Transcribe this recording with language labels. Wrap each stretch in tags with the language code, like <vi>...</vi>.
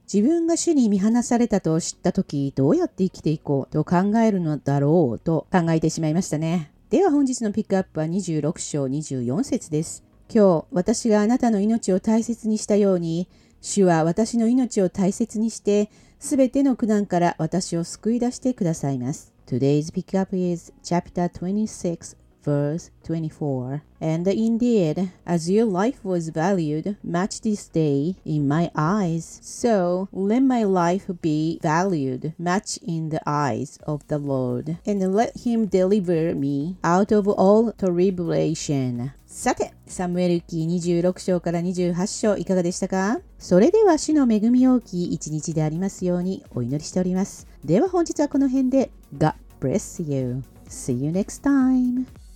<ja>自分が主に見放されたと知った時、どうやって生きていこうと考えるのだろうと考えてしまいましたね。では本日のピックアップは26章24節です。今日私があなたの命を大切にしたように、主は私の命を大切にして、すべての苦難から私を救い出してくださいます。</ja> <en>Today's pick up is chapter 26 verse 24. And indeed, as your life was valued much this day in my eyes, so let my life be valued much in the eyes of the Lord, and let him deliver me out of all tribulation.</en> <ja>さて、サムエル記26章から28章いかがでしたか。それでは主の恵み大きい一日でありますようにお祈りしております。では本日はこの辺で</ja> <en>God bless you. See you next time.</en>